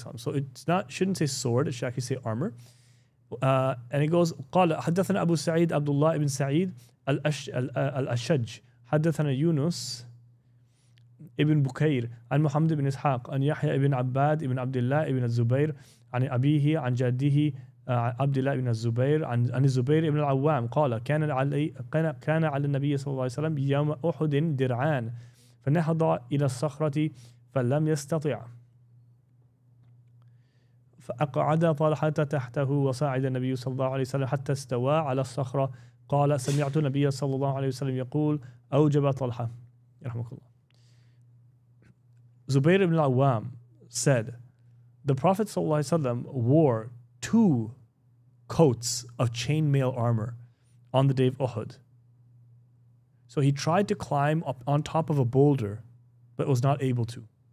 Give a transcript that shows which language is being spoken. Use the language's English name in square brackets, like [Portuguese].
[English] So it's not, shouldn't say sword, it should actually say armor. And it goes, [Arabic] قَالَ حَدَّثَنَا أَبُو سَعِيدٍ عَبْدُ اللَّهِ بِنْ سَعِيدٍ الْأَشَجِ حَدَّثَنَا يُونُسْ ابن بكير عن محمد بن إسحاق عن يحيى ابن عباد ابن عبد الله ابن الزبير عن أبيه عن جده عبد الله ابن الزبير عن الزبير ابن العوام قال كان على النبي صلى الله عليه وسلم يوم أحد درعان فنهض إلى الصخرة فلم يستطع فأقعد طلحة تحته وصعد النبي صلى الله عليه وسلم حتى استوى على الصخرة قال سمعت النبي صلى الله عليه وسلم يقول أوجب طلحة يرحمك الله. [English] Zubayr ibn al-Awwam said, the Prophet ﷺ wore two coats of chainmail armor on the day of Uhud. So he tried to climb up on top of a boulder, but was not able to.